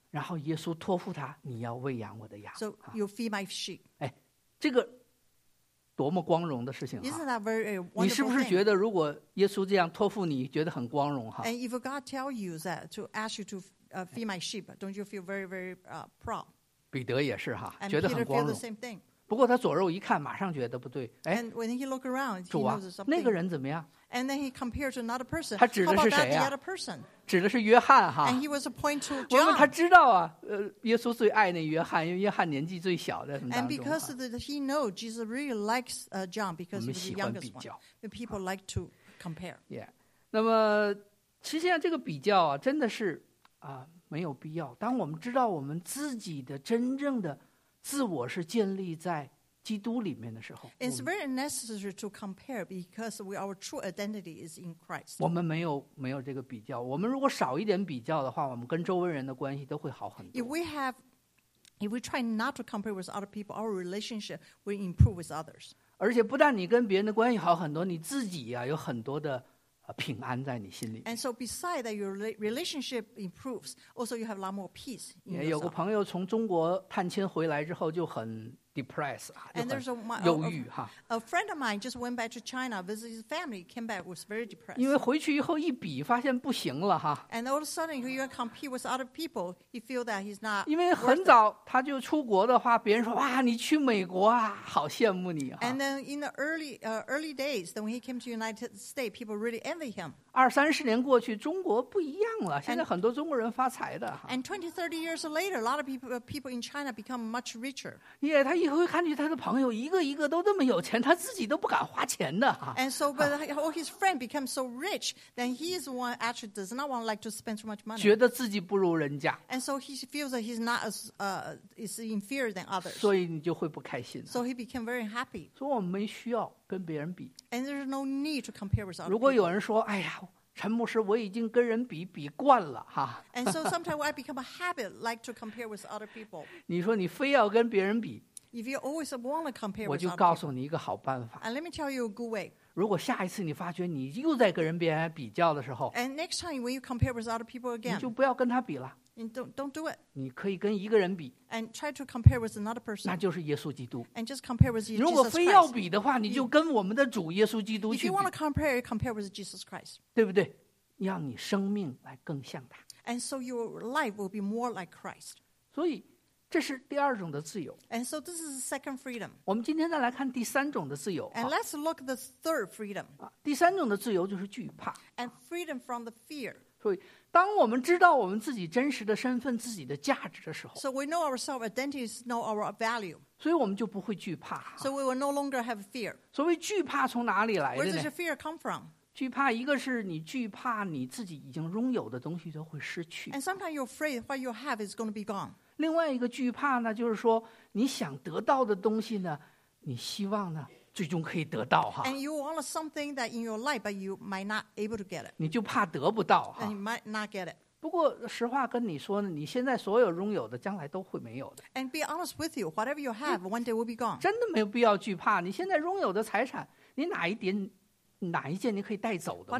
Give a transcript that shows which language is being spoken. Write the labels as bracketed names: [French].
[Chinese] 然后耶稣托付他：“你要喂养我的羊。 [English] ”So you feed my sheep. [Chinese] 哎，这个多么光荣的事情！ [English] Isn't that very wonderful? [Chinese] 你是不是觉得如果耶稣这样托付你，觉得很光荣哈 [English] ？And if God tell you that to ask you to feed my sheep, don't you feel very, very proud? [Chinese] 彼得也是哈，觉得很光荣。 [English] And Peter feel the same thing. [Chinese] 不过他左肉一看，马上觉得不对。哎、 [English] And when he look around, he、啊、 knows something. [Chinese] 那个人怎么样 [English] ？And then he compared to another person. [Chinese] 他指的是谁呀、 [English] 啊、？The other person. [Chinese] 指的是约翰哈。 [English] And he was a point to John. [Chinese] 他知道啊，耶稣最爱那约翰，因为约翰年纪最小的。 [English] And because of that, he know Jesus really likes John because he's the youngest one. The people like to compare. Yeah. [Chinese] 那么其实现在这个比较啊，真的是。没有必要。当我们知道我们自己的真正的自我是建立在基督里面的时候，It's very necessary to compare because we, our true identity is in Christ. 我们没有这个比较。我们如果少一点比较的话，我们跟周围人的关系都会好很多。 [English] If we try not to compare with other people, our relationship will improve with others. [Chinese] 而且不但你跟别人的关系好很多，你自己呀、啊、有很多的。平安在你心里。 [English] And so, besides that, your relationship improves. Also, you have a lot more peace. [Chinese] 也有个朋友从中国探亲回来之后就很 depressed 啊，就很忧郁哈。 [English] A friend of mine just went back to China, visited his family, came back was very depressed. [Chinese] 因为回去以后一比，发现不行了哈。 [English] And all of a sudden, when you compete with other people, he feel that he's not. [Chinese] 因为很早他就出国的话，别人说哇，你去美国啊，好羡慕你哈。 [English] And then in the early days, then when he came to United States, people really envy him. [Chinese] 二三十年过去，中国不一样了。现在很多中国人发财的。 [English] And 20-30 years later, a lot of people in China become much richer. [Chinese] Yeah, 他以后看见他的朋友一个一个都那么有钱，他自己都不敢花钱的。 [English] And so, but all his friend became so rich, then he is one actually does not want like to spend too much money. [Chinese] 觉得自己不如人家。 [English] And so he feels that he's not as is inferior than others. [Chinese] 所以你就会不开心。 [English] So he became very happy. [Chinese] 所以我们没需要。跟别人比 [English] ，And there's no need to compare with others. [Chinese] 如果有人说，哎呀，陈牧师，我已经跟人比惯了哈。 [English] And so sometimes I become a habit like to compare with other people. [Chinese] 你说你非要跟别人比 [English] ，If you always want to compare with other people, [Chinese] 我就告诉你一个好办法。 [English] And let me tell you a good way. [Chinese] 如果下一次你发觉你又在跟人别人比较的时候 [English] ，And next time when you compare with other people again, [Chinese] 你就不要跟他比了。 [English] And don't do it. [Chinese] 你可以跟一个人比 [English] ，and try to compare with another person. [Chinese] 那就是耶稣基督 [English] ，and just compare with Jesus Christ. [Chinese] 如果非要比的话，你就跟我们的主耶稣基督去比。 [English] If you want to compare, compare with Jesus Christ. [Chinese] 对不对？让你生命来更像他。 [English] And so your life will be more like Christ. [Chinese] 所以，这是第二种的自由。 [English] And so this is the second freedom. [Chinese] 我们今天再来看第三种的自由。 [English] And let's look at the third freedom. [Chinese] 第三种的自由就是惧怕。 [English] And freedom from the fear. [Chinese] 所以。当我们知道我们自己真实的身份、自己的价值的时候 [English] ，So we know our self identity, know our value. [Chinese] 所以我们就不会惧怕。 [English] So we will no longer have fear. [Chinese] 所谓惧怕从哪里来的呢 [English] ？Where does your fear come from? [Chinese] 惧怕一个是你惧怕你自己已经拥有的东西都会失去。 [English] And sometimes you're afraid what you have is going to be gone. [Chinese] 另外一个惧怕呢，就是说你想得到的东西呢，你希望呢？最终可以得到哈。 [English] And you want something that in your life, but you might not able to get it. [Chinese] 你就怕得不到哈。 [English] And you might not get it. [Chinese] 不过实话跟你说呢，你现在所有拥有的将来都会没有的。 [English] And be honest with you, whatever you have, one day will be gone. [Chinese] 真的没有必要惧怕，你现在拥有的财产，你哪一点哪一件你可以带走的吗？